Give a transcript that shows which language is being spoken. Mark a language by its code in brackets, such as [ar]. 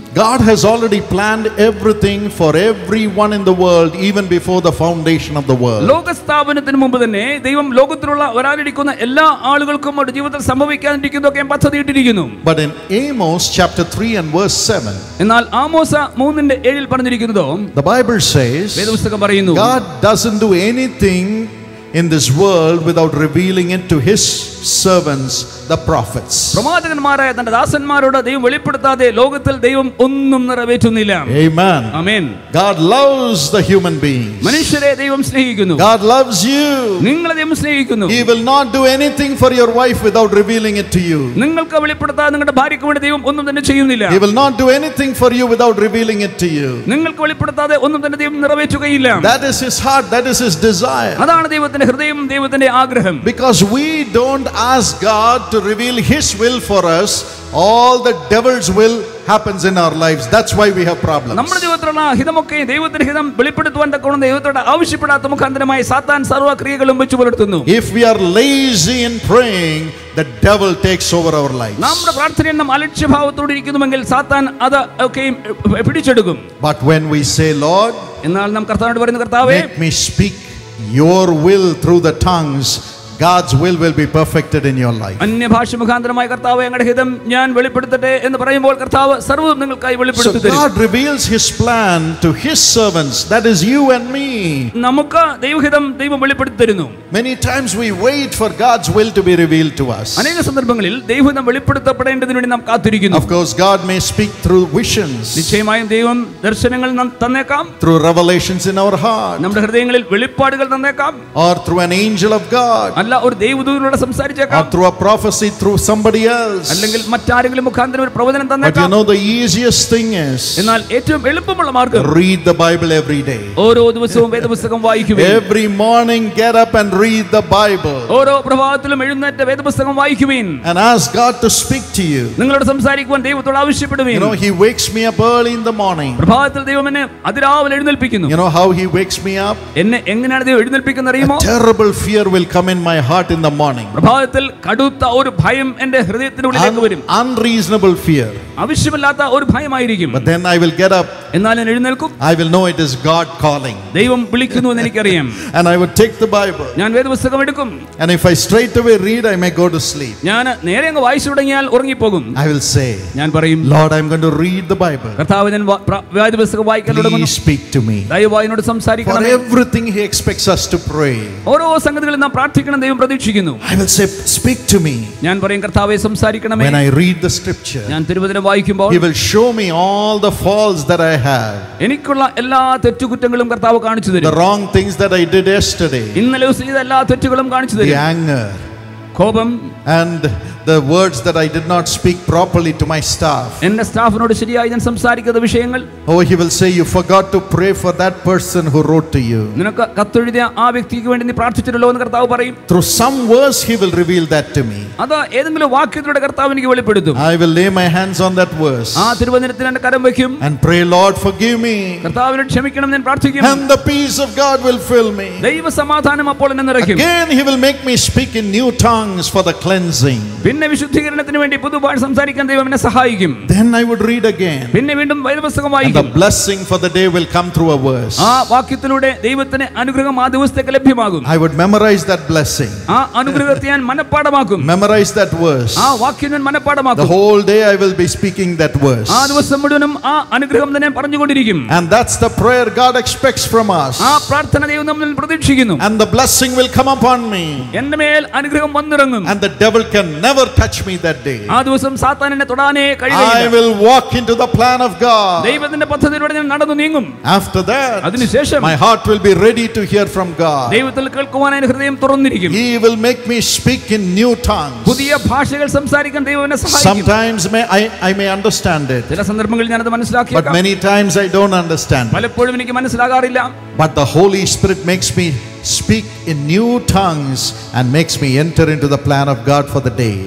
[en] God has already planned everything for everyone in the world even before the foundation of the world. [ml] ലോകസ്ഥാപനത്തിനു മുമ്പ് തന്നെ ദൈവം ലോകത്തിലുള്ള ഒരാളിരിക്കുന്ന എല്ലാ ആളുകൾക്കും അവരുടെ ജീവിതത്തിൽ സംഭവിക്കാനിരിക്കുന്നതൊക്കെ പദ്ധതി ഇട്ടിരിക്കുന്നു. [en] But in Amos chapter 3 and verse 7. [ml] എന്നാൽ ആമോസ 3-ന്റെ 7-ൽ പറഞ്ഞിരിക്കുന്നതോ, [en] the Bible says, [ml] വേദപുസ്തകം പറയുന്നു, [en] God doesn't do anything in this world without revealing it to his servants the prophets. [ml] പ്രവാചകന്മാരായ തന്റെ ദാസന്മാരോട് ദൈവം വെളിപ്പെടുത്താതെ ലോകത്തിൽ ദൈവം ഒന്നും നിറവേറ്റുന്നില്ല. [en] Amen. [ml] Amen. [en] God loves the human beings. [ml] മനുഷ്യരെ ദൈവം സ്നേഹിക്കുന്നു. [en] God loves you. [ml] നിങ്ങളെ ദൈവം സ്നേഹിക്കുന്നു. [en] He will not do anything for your wife without revealing it to you. [ml] നിങ്ങൾക്ക് വെളിപ്പെടുത്താതെ നിങ്ങളുടെ ഭാര്യയ്ക്ക് വേണ്ടി ദൈവം ഒന്നും തന്നെ ചെയ്യുന്നില്ല. [en] He will not do anything for you without revealing it to you. [ml] നിങ്ങൾക്ക് വെളിപ്പെടുത്താതെ ഒന്നും തന്നെ ദൈവം നിറവേറ്റുകയില്ല. [en] That is his heart, that is his desire. [ml] അതാണ് ദൈവത്തിന്റെ ഹൃദയം, ദൈവത്തിന്റെ ആഗ്രഹം. [en] Because we don't ask God to to reveal His will for us, all the devil's will happens in our lives. That's why we have problems. [ml] നമ്മുടെ ജീവിതത്തിലുള്ള ഹിതമൊക്കെ ദൈവത്തിന്റെ ഹിതം വെളിപ്പെടുത്തുവാൻ കൊണ്ട് ദൈവത്തോട് ആവശ്യപ്പെടാത്ത മുഖാന്തരമായി സാത്താൻ സർവ്വക്രിയകളും വെച്ചു പുലർത്തുന്നു. [en] If we are lazy in praying, the devil takes over our lives. [ml] നമ്മുടെ പ്രാർത്ഥനയെന്നും അലക്ഷ്യഭാവത്തോടെ ഇരിക്കുന്നുവെങ്കിൽ സാത്താൻ അത് ഒക്കെ പിടിച്ചെടുക്കും. [en] But when we say, Lord, [ml] എന്നാൽ നാം കർത്താവിനോട് പറയുന്ന കർത്താവേ, [en] let me speak your will through the tongues, God's will be perfected in your life. [ml] അന്യ ഭാഷ മുഖാന്തരമായി കർത്താവ് ഞങ്ങളുടെ ഹിതം ഞാൻ വെളിപ്പെടുത്തട്ടെ എന്ന് പറയുമ്പോൾ കർത്താവ് സർവ്വവും നിങ്ങൾക്കായി വെളിപ്പെടുത്തി തരും. [en] So God reveals his plan to his servants, that is you and me. [ml] നമുക്ക് ദൈവഹിതം ദൈവം വെളിപ്പെടുത്തി തരുന്നു. [en] Many times we wait for God's will to be revealed to us. [ml] അനേക സന്ദർഭങ്ങളിൽ ദൈവഹിതം വെളിപ്പെടുത്തപ്പെടേണ്ടതിനു വേണ്ടി നാം കാത്തിരിക്കുന്നു. [en] Of course God may speak through visions. [ml] നിശ്ചയമായും ദൈവം ദർശനങ്ങൾ തന്നേക്കാം. [en] Through revelations in our heart. [ml] നമ്മുടെ ഹൃദയങ്ങളിൽ വെളിപ്പാടുകൾ തന്നേക്കാം. [en] Or through an angel of God. [ml] അല്ല ഒരു ദൈവദൂതനോട് സംസാരിച്ചേക്കാം. [en] Or through a prophecy through somebody else. [ml] അല്ലെങ്കിൽ മറ്റാരെങ്കിലും മുഖാന്തരം ഒരു പ്രവചനം തന്നേക്കാം. [en] But you know the easiest thing is, [ml] എന്നാൽ ഏറ്റവും എളുപ്പമുള്ള മാർഗം, [en] read the Bible every day. [ml] ഓരോ ദിവസവും വേദപുസ്തകം വായിക്കുക. [en] Every morning get up and read the Bible. [ml] ഓരോ പ്രഭാതത്തിലും എഴുന്നേറ്റ് വേദപുസ്തകം വായിക്കുക. [en] And ask God to speak to you. [ml] നിങ്ങളോട് സംസാരിക്കുവാൻ ദൈവത്തോട് ആവശ്യപ്പെടുക. [en] You know he wakes me up early in the morning. [ml] പ്രഭാതത്തിൽ ദൈവം എന്നെ അതിരാവിലെ എഴുന്നേൽപ്പിക്കുന്നു. [en] You know how he wakes me up? [ml] എന്നെ എങ്ങനെയാണ് ദൈവം എഴുന്നേൽപ്പിക്കുന്നത് അറിയുമോ? [en] A terrible fear will come in my heart in the morning. [ml] പ്രഭാതത്തിൽ കടുത്ത ഒരു ഭയം എൻ്റെ ഹൃദയത്തിന് ഉള്ളിലേക്ക് വരും. [en] Unreasonable fear. [ml] ആവശ്യമില്ലാത്ത ഒരു ഭയമായിരിക്കും. [en] But then I will get up. [ml] എന്നാൽ ഞാൻ എഴുന്നേൽക്കും. [en] I will know it is God calling. [ml] ദൈവം വിളിക്കുന്നു എന്ന് എനിക്കറിയാം. [en] And I will take the Bible. [ml] ഞാൻ വേദപുസ്തകം എടുക്കും. [en] And if I straight away read, I may go to sleep. [ml] ഞാൻ നേരെ അങ്ങ് വായിച്ചു തുടങ്ങിയാൽ ഉറങ്ങി പോകും. [en] I will say, [ml] ഞാൻ പറയും, [en] Lord, I am going to read the Bible. [ml] കർത്താവേ, ഞാൻ വേദപുസ്തകം വായിക്കാൻ തുടങ്ങും. [en] Please speak to me. [ml] ദൈവം എന്നോട് സംസാരിക്കണം. [en] For everything he expects us to pray. [ml] ഓരോ സംഗതികളും നാം പ്രാർത്ഥിക്കണം ദൈവം പ്രതീക്ഷിക്കുന്നു. [en] I will say, speak to me. [ml] ഞാൻ പറയും, കർത്താവേ സംസാരിക്കണമേ. [en] When I read the scripture. [ml] ഞാൻ തിരുവചനം വായിക്കുമ്പോൾ. [en] He will show me all the faults that I have. [ml] എനിക്കുള്ള എല്ലാ തെറ്റുകുറ്റങ്ങളും കർത്താവ് കാണിച്ചു തരും. [en] The wrong things that I did yesterday. [ml] ഇന്നലെ ചെയ്ത എല്ലാ തെറ്റുകളും കാണിച്ചു തരും. [en] The anger. [ml] കോപം. [en] And the words that I did not speak properly to my staff. [ml] എന്റെ സ്റ്റാഫിനോട് ശരിയായി ഞാൻ സംസാരിക്കാത്ത വിഷയങ്ങൾ. [en] Oh, he will say, you forgot to pray for that person who wrote to you. [ml] നിനക്ക് കത്തെഴുതിയ ആ വ്യക്തിക്ക് വേണ്ടി നീ പ്രാർത്ഥിച്ചിട്ടില്ലോ എന്ന് കർത്താവ് പറയും. [en] Through some words he will reveal that to me. [ml] അത് ഏതെങ്കിലും വാക്യത്തിലൂടെ കർത്താവ് എനിക്ക് വെളിപ്പെടുത്തും. [en] I will lay my hands on that verse. [ml] ആ തിരുവചനത്തിൽ എന്റെ കരം വെക്കും. [en] And pray, Lord, forgive me. [ml] കർത്താവേ എന്നെ ക്ഷമിക്കണം ഞാൻ പ്രാർത്ഥിക്കും. [en] And the peace of God will fill me. [ml] ദൈവസമാധാനം അപ്പോൾ എന്നെ നിറയ്ക്കും. [en] Again he will make me speak in new tongues for the cleansing. [ml] പിന്നെ വിശുദ്ധീകരണത്തിന് വേണ്ടി പുതുഭാഷ സംസാരിക്കാൻ ദൈവം എന്നെ സഹായിക്കും. [en] Then I would read again. [ml] പിന്നെ വീണ്ടും വേദപുസ്തകം വായിക്കും. [en] And the blessing for the day will come through a verse. [ml] ആ വാക്യത്തിലൂടെ ദൈവത്തിന്റെ അനുഗ്രഹം ആ ദിവസത്തേക്ക് ലഭ്യമാകും. [en] I would memorize that blessing. [ml] ആ അനുഗ്രഹത്തെ ഞാൻ മനപാഠമാക്കും. [en] Memorize that verse. [ml] ആ വാക്യം ഞാൻ മനപാഠമാക്കും. [en] The whole day I will be speaking that verse. [ml] ആ ദിവസം മുഴുവനും ആ അനുഗ്രഹം തന്നെ പറഞ്ഞുകൊണ്ടിരിക്കും. [en] And that's the prayer God expects from us. [ml] ആ പ്രാർത്ഥന ദൈവം നമ്മിൽ നിന്ന് പ്രതീക്ഷിക്കുന്നു. [en] And the blessing will come upon me. [ml] എന്റെ മേൽ അനുഗ്രഹം വന്നിറങ്ങും. [en] And the devil can never touch me that day. [ml] ആ ദിവസം സാത്താൻ എന്നെ തൊടാനേ കഴിയില്ല. [en] I will walk into the plan of God. [ml] ദൈവത്തിന്റെ പദ്ധതിയിലൂടെ ഞാൻ നടന്നു നീങ്ങും. [en] After that, [ml] അതിനുശേഷം, [en] my heart will be ready to hear from God. [ml] ദൈവത്തിൽ കേൾക്കുവാൻ എൻ ഹൃദയം തുറന്നിരിക്കും. [en] He will make me speak in new tongues. [ml] പുതിയ ഭാഷകൾ സംസാരിക്കാൻ ദൈവം എന്നെ സഹായിക്കും. [en] Sometimes I may understand it. [ml] ചില സന്ദർഭങ്ങളിൽ ഞാൻ അത് മനസ്സിലാക്കിയേക്കാം. [en] But many times I don't understand. [ml] പലപ്പോഴും എനിക്ക് മനസ്സിലാകാറില്ല. [en] But the Holy Spirit makes me speak in new tongues and makes me enter into the plan of God for the day.